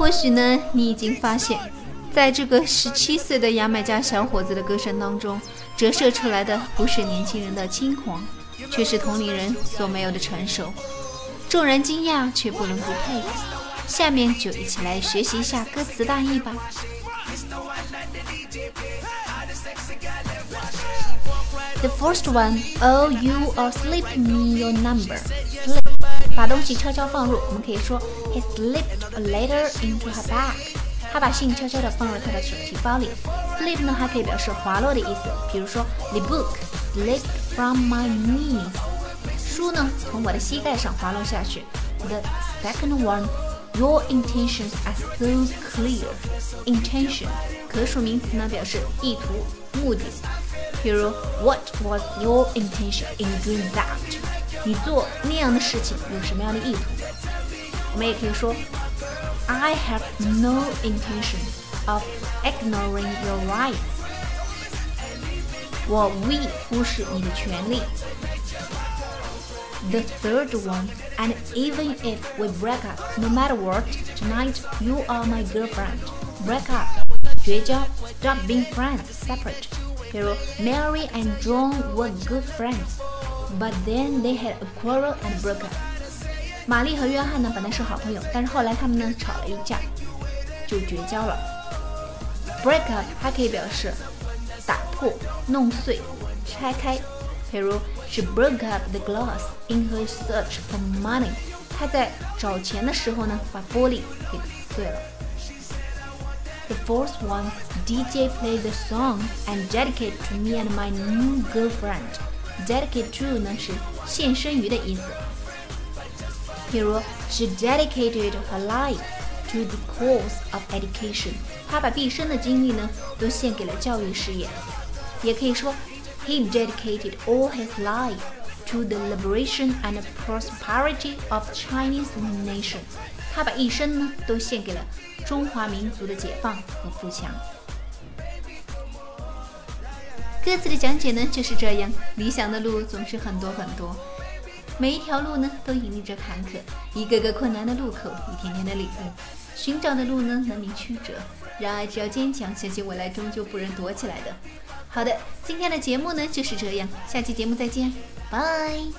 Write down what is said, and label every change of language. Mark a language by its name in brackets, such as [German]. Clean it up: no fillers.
[Chinese] 呢，你已经发现，在这个17岁的牙买加小伙子的歌声当中，折射出来的不是年轻人的轻狂，却是同龄人所没有的成熟。众人惊讶，却不能不佩服。下面就一起来学习一下歌词大意吧。 [English] The first one, oh, you are slipping me your number. Slip, [Chinese] 把东西悄悄放入，我们可以说 [English] He slipped a letter into her bag. [Chinese] 他把信悄悄地放入他的手提包里。 Slip 呢，还可以表示滑落的意思，比如说 [English] The book slipped from my knee. [Chinese] 书呢，从我的膝盖上滑落下去。 [English] The second one, your intentions are so clear. Intention, [Chinese] 可数名词呢，表示意图、目的。比如 [English] What was your intention in doing that? [Chinese] 你做那样的事情有什么样的意图？我们也可以说 [English] I have no intention of ignoring your rights. [Chinese] 我无意忽视你的权利。 [English] The third one, and even if we break up, no matter what, tonight you are my girlfriend. Break up, [Chinese] 绝交 [English] stop being friends, separate. 比如 Mary and John were good friends, but then they had a quarrel and broke up. [Chinese] 玛丽和约翰呢本来是好朋友，但是后来他们呢吵了一架，就绝交了。 Break up 还可以表示打破、弄碎、拆开。 [English] 比如 She broke up the glass in her search for money. [Chinese] 她在找钱的时候呢，把玻璃给碎了。 [English] The fourth one, DJ played the song and dedicated to me and my new girlfriend. Dedicate to [Chinese] 呢是献身于的意思。比如 [English] She dedicated her life to the cause of education. [Chinese] 她把毕生的精力呢都献给了教育事业。也可以说 [English] He dedicated all his life to the liberation and prosperity of Chinese nation. [Chinese] 他把一生呢都献给了中华民族的解放和富强。歌词的讲解呢就是这样，理想的路总是很多很多，每一条路呢都隐匿着坎坷，一个个困难的路口，一天天的礼物，寻找的路呢难免曲折，然而只要坚强，相信未来终究不忍躲起来的。好的，今天的节目呢就是这样，下期节目再见，拜。